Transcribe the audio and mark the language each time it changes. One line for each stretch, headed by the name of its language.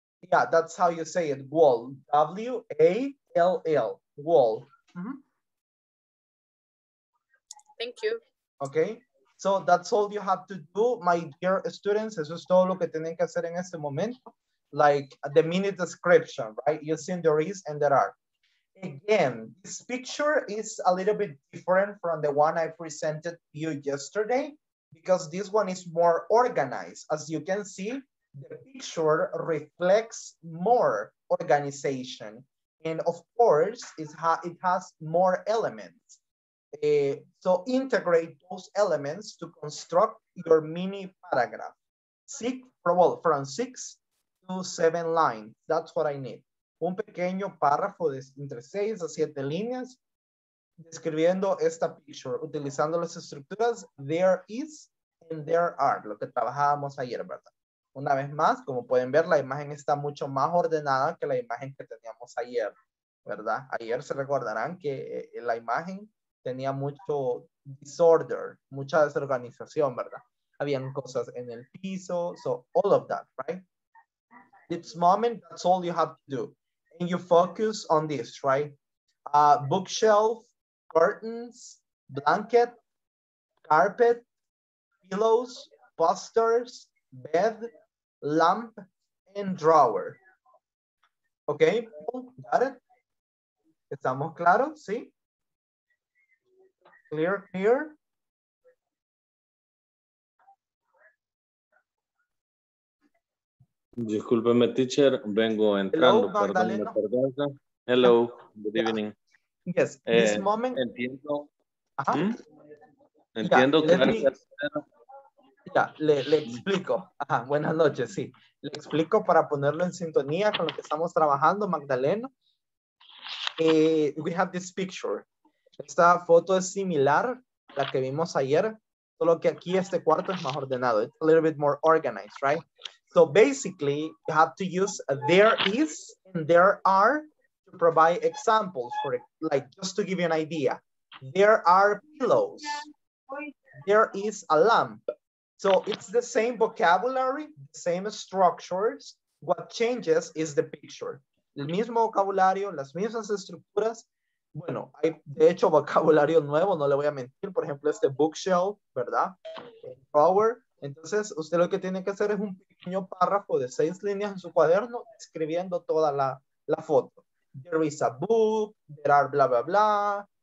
English: Yeah, that's how you say it, wall. W-A-L-L, wall. Mm-hmm. Thank you. Okay, so that's all you have to do, my dear students.
Spanish: Eso es todo lo que tienen que hacer en este momento.
English: Like the mini description, right? Using there is and there are. Again, this picture is a little bit different from the one I presented to you yesterday because this one is more organized. As you can see, the picture reflects more organization. And of course, it has more elements. So integrate those elements to construct your mini paragraph. From 6 to 7 lines, that's what I need.
Spanish: Un pequeño párrafo de entre 6 a 7 líneas describiendo esta picture, utilizando las estructuras
English: there is and there are,
Spanish: lo que trabajábamos ayer, ¿verdad? Una vez más, como pueden ver, la imagen está mucho más ordenada que la imagen que teníamos ayer, ¿verdad? Ayer se recordarán que la imagen tenía mucho disorder, mucha desorganización, ¿verdad? Habían cosas en el piso,
English: so all of that, right? This moment, that's all you have to do. You focus on this, right? Bookshelf curtains, blanket, carpet, pillows, posters, bed, lamp, and drawer. Okay, got it?
Spanish: ¿Estamos claros? ¿Sí?
English: Clear, clear.
Spanish: Discúlpeme, teacher, vengo entrando.
English: Hello,
Spanish: Magdalena. Perdón, me perdón.
English: Hello, good evening. Yes, this moment.
Spanish: Entiendo. Ajá. Entiendo que. Le explico. Ajá, buenas noches, sí. Le explico para ponerlo en sintonía con lo que estamos trabajando, Magdalena.
English: We have this picture.
Spanish: Esta foto es similar a la que vimos ayer, solo que aquí este cuarto es más ordenado.
English: It's a little bit more organized, right? So basically, you have to use there is and there are to provide examples for it. Like, just to give you an idea. There are pillows. There is a lamp. So it's the same vocabulary, the same structures. What changes is the picture.
Spanish: El mismo vocabulario, las mismas estructuras. Bueno, hay de hecho vocabulario nuevo, no le voy a mentir. Por ejemplo, este bookshelf, ¿verdad? Drawer. Entonces, usted lo que tiene que hacer es un pequeño párrafo de 6 líneas en su cuaderno escribiendo toda la foto.
English: There is a book, there are blah, blah, blah.